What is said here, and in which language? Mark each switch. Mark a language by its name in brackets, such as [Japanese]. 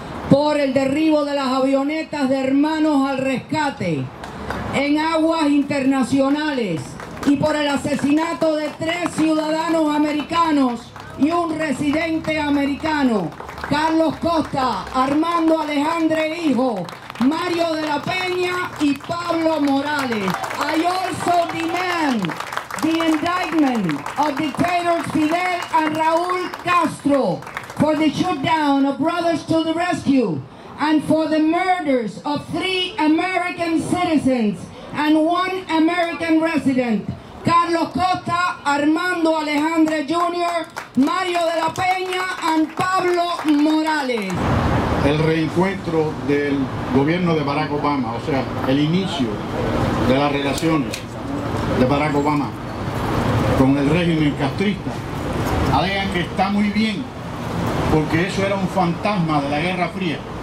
[Spanish] por el derribo de las avionetas de Hermanos al Rescate en aguas internacionales y por el asesinato de 3 ciudadanos americanos y un residente americano: Carlos Costa, Armando Alejandre Hijo, Mario de la Peña y Pablo Morales. [English] I also demand the indictment of dictators Fidel and Raúl Castro for the shootdown of Brothers to the Rescue and for the murders of 3 American citizens and 1 American resident: Carlos Costa, Armando Alejandre Jr., Mario de la Peña and Pablo Morales. [Spanish] El reencuentro del gobierno de Barack Obama, o sea, el inicio de las relaciones de Barack Obama con el régimen castrista, alegan que está muy bien, porque eso era un fantasma de la Guerra Fría.